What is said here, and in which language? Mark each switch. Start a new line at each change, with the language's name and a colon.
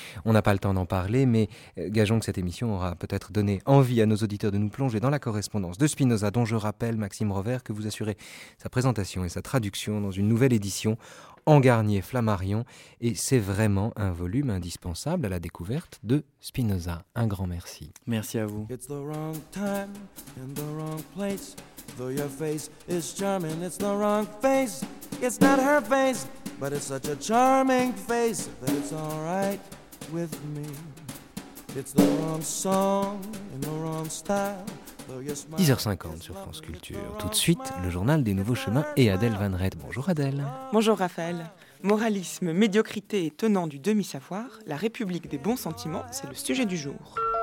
French: On n'a pas le temps d'en parler, mais gageons que cette émission aura peut-être donné envie à nos auditeurs de nous plonger dans la correspondance de Spinoza, dont je rappelle, Maxime Rovert, que vous assurez sa présentation et sa traduction dans une nouvelle édition en Garnier Flammarion, et c'est vraiment un volume indispensable à la découverte de Spinoza. Un grand merci. Merci à vous.
English: It's the wrong time and the wrong place. Though your face is charming, it's the wrong face. It's not her face, but it's such a charming face that it's all right with me. It's the wrong song in the wrong style.
French: 10h50 sur France Culture. Tout de suite, le journal des Nouveaux Chemins et Adèle Van Redt. Bonjour Adèle. Bonjour Raphaël. Moralisme, médiocrité et tenant du demi-savoir, la République des bons sentiments, c'est le sujet du jour.